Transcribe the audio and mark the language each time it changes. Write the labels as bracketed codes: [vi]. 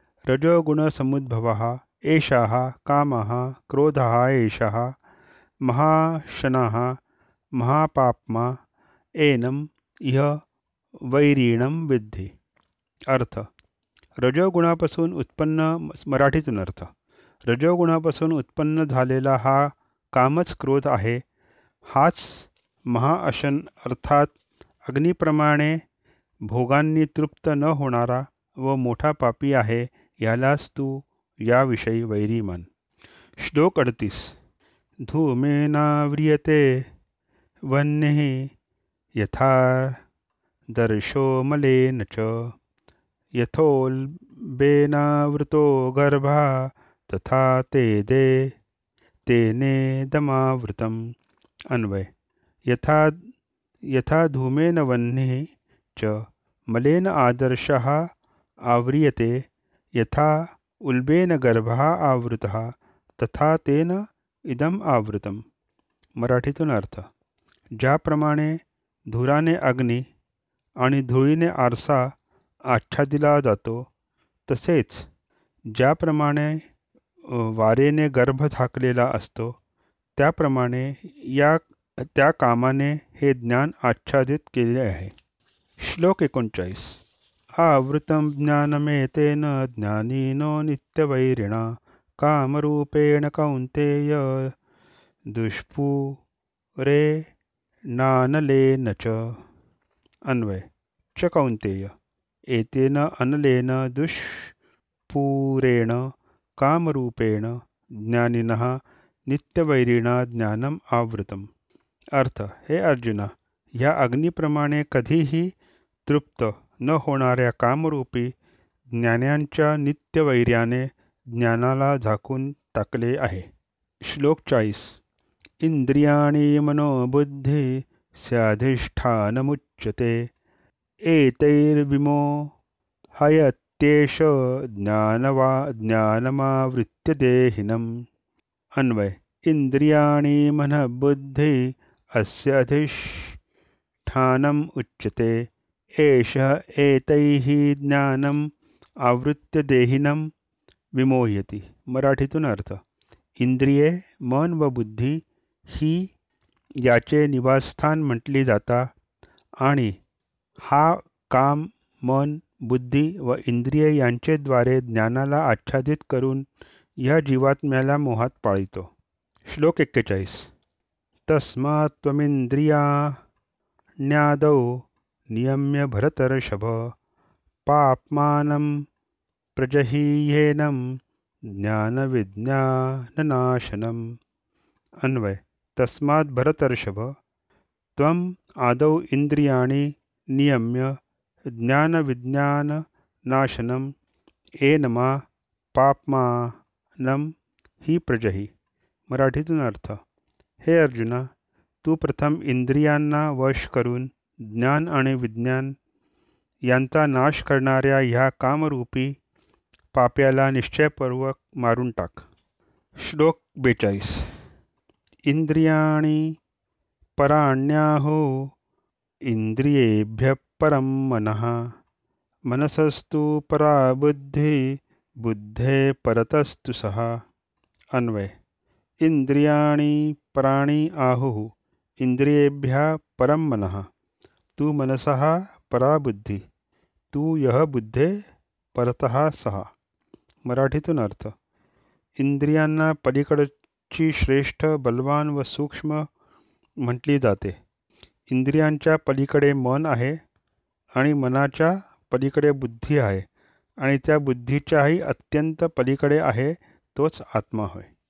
[sa] रजोगुणसमुद्भवः एषः कामः क्रोधः एषः महाशनः महापाप्मा एनम् इह वैरीणं विद्धि. [mr] अर्थ: रजोगुणापासून उत्पन्न मराठीतून अर्थ: रजोगुणापासून उत्पन्न झालेला हा कामच क्रोध आहे. हाच महाअशन अर्थात अग्निप्रमाणे भोगांनी तृप्त न होणारा व मोठा पापी आहे, यालाच तू याविषयी वैरी मन. [sa] श्लोक 38. धूमेनाव्रियते वह यथा दर्शो मलेन च यथोल्बेनावृतो गर्भा तथा तेदे तेने दमावृतम. अन्वय. यथा धूमेन वह्निः च मलेन आदर्शः आव्रियते यथा उल्बेन गर्भः आवृतः तथा तेन इदम् आवृतम. [mr] मराठीतून अर्थ: ज्याप्रमाणे धुराने अग्नि आणि धुळीने आरसा आच्छादिला जातो, तसेच ज्याप्रमाणे वारेने गर्भ झाकलेला असतो त्याप्रमाणे त्या कामाने हे ज्ञान आच्छादित केले आहे. [sa] श्लोक 39. आवृतं ज्ञानमेतेन ज्ञानीनो नित्यवैरिणा कामरूपेण कौन्तेय दुष्पूरे नानलेन च. अन्वय. च कौन्तेय, एतेन अनलेन दुष्पूरेण कामरूपेण ज्ञानिनः नित्यवैरिणा ज्ञानम् आवृतम्. [mr] अर्थ: हे अर्जुन, ह्या अग्निप्रमाणे कधीही तृप्त न होणाऱ्या कामरूपी ज्ञान्यांच्या नित्यवैर्याने ज्ञानाला झाकून टाकले आहे. [sa] श्लोक 40. इंद्रियाणि मनोबुद्धि स्याधिष्ठानमुच्यते एतैर्विमो हयत्येष ज्ञानवा ज्ञानमावृत्यदेहिनम्. अन्वय. इंद्रियाणि मन बुद्धि अस्य अधिष्ठानम् उच्यते एष एतैः ज्ञानम् आवृत्य देहिनम् विमोहयति. [mr] मराठीतून अर्थ: इंद्रिये मन व बुद्धि ही याचे निवासस्थान म्हटली जाता आणि हा काम मन बुद्धि व इंद्रिये यांचेद्वारे ज्ञानाला आच्छादित करून या जीवात्म्याला मोहात पाळितो. [sa] श्लोक 41. तस्मात् त्वमिंद्रिया न्यादौ नियम्य भरतर्षभ पाप्मानं प्रजहीयेनं ज्ञानविज्ञाननाशनम्. अन्वय. तस्मात् भरतर्षभ, त्वम् आदौ इंद्रियाणि नियम्य ज्ञानविज्ञाननाशनम् एनमा पापमानम ही प्रजही। [mr] मराठीतून अर्थ, हे अर्जुना, तू प्रथम इंद्रियांना वश करून ज्ञान आणि विज्ञान यांचा नाश करणाऱ्या ह्या कामरूपी पाप्याला निश्चयपूर्वक मारून टाक। [sa] श्लोक 42। इंद्रियाणि पराण्याहो इंद्रियेभ्य परम मनः, मनसस्तु परा बुद्धि, बुद्धे परतस्तु सः। अन्वय। इंद्रियाणि प्राणि आहुः इंद्रियेभ्यः परम मनः, तु मनसः परा बुद्धि, तु यः बुद्धे परतः सः। [mr] मराठीतून अर्थ, इंद्रियांना पलीकडची श्रेष्ठ बलवान व सूक्ष्म म्हटली जाते। इंद्रियांच्या पलीकडे मन आहे आणि मनाच्या पलीकडे बुद्धी आहे आणि त्या बुद्धीच्याही अत्यंत पलीकडे आहे तोच आत्मा होय।